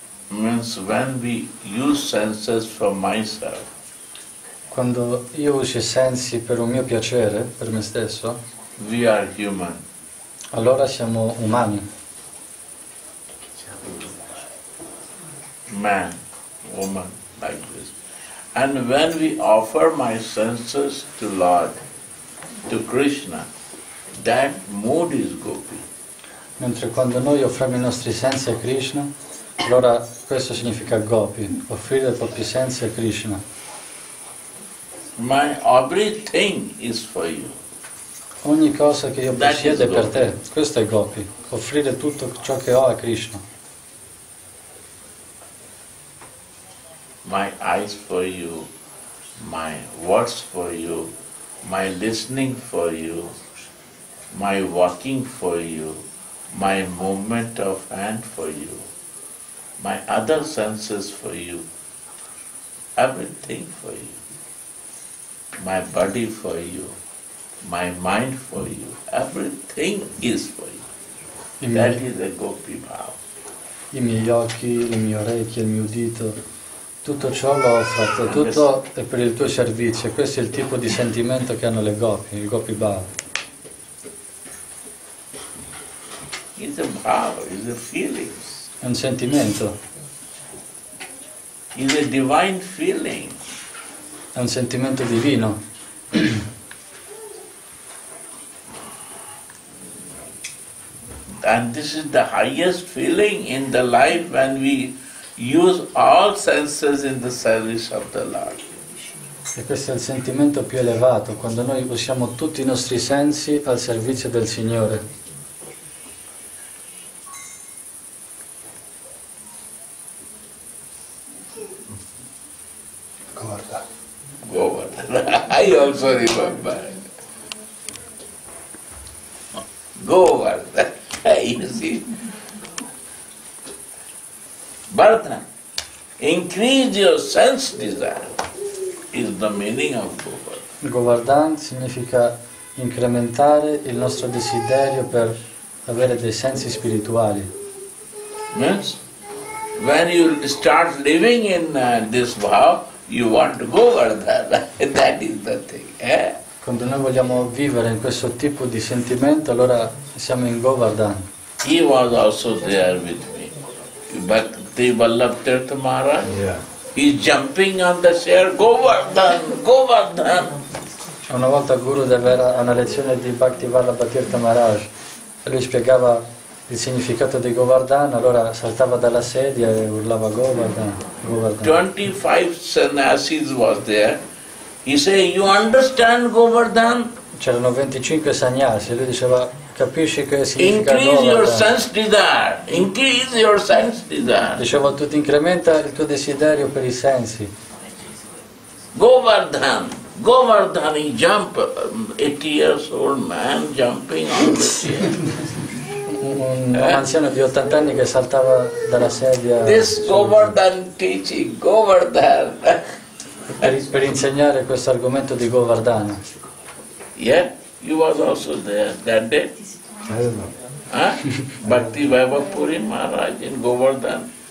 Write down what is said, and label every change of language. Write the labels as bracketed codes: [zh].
[en] Means when we use senses for myself. [it] Quando io uso i sensi per un mio piacere, per me stesso, [en] we are human. [it] Allora siamo umani. [en] Man, woman, like this. And when we offer my senses to Lord, to Krishna, that mood is gopi. [it] Mentre quando noi offriamo i nostri sensi a Krishna, allora questo significa gopi, offrire i propri sensi a Krishna. [en] My everything is for you. [it] Ogni cosa che io possiedo è per te, questo è gopi, offrire tutto ciò che ho a Krishna. [en] My eyes for you, my words for you, my listening for you, my walking for you, my movement of hand for you, my other senses for you, everything for you, my body for you, my mind for you, everything is for you. That is a gopi bhava. [it] I miei occhi, le mie orecchie, il mio dito. Tutto ciò l'ho offerto, tutto è per il tuo servizio, questo è il tipo di sentimento che hanno le gopi, il gopi bhava. [en] It's a bhava, it's a feeling. [it] È un sentimento. [en] It's a divine feeling. [it] È un sentimento divino. [en] And this is the highest feeling in the life when we use all senses in the service of the Lord. [it] E questo è il sentimento più elevato, quando noi usiamo tutti i nostri sensi al servizio del Signore. [en] Govarda. Govarda. I also remember. Govarda. You see? Vartma, increase your sense desire, is the meaning of Govardhan. [it] Govardhan significa incrementare il nostro desiderio per avere dei sensi spirituali. [en] Means, when you start living in this bhav, you want Govardhan, that is the thing. [it] Quando noi vogliamo vivere in questo tipo di sentimento, allora siamo in Govardhan. [en] He was also there with me. But the Vallabhtirtha Maharaj, he's jumping on the chair, Govardhan, Govardhan. [it] Una volta Guru deve avere una lezione di Bhakti Vallabhtirtha Maharaj, lui spiegava il significato di Govardhan, allora saltava dalla sedia e urlava Govardhan, Govardhan. [en] 25 sannyasis was there. He said, you understand Govardhan? [it] C'erano 25 sannyasi, lui diceva, capisci che significa [en] increase Govardhan. Your sense desire. Increase your sense desire. [it] Dicevo, tu ti incrementa il tuo desiderio per i sensi. [en] Govardhan. Govardhan, he jump, 80 years old man jumping on the [it] chair. Un anziano di 80 anni che saltava dalla sedia. [en] This Govardhan teaching, Govardhan. [it] per insegnare questo argomento di Govardhan. [en] Yeah? You was also there that day? I don't know. Huh? Bhakti Vaibhavpuri Maharaj in Govardhan.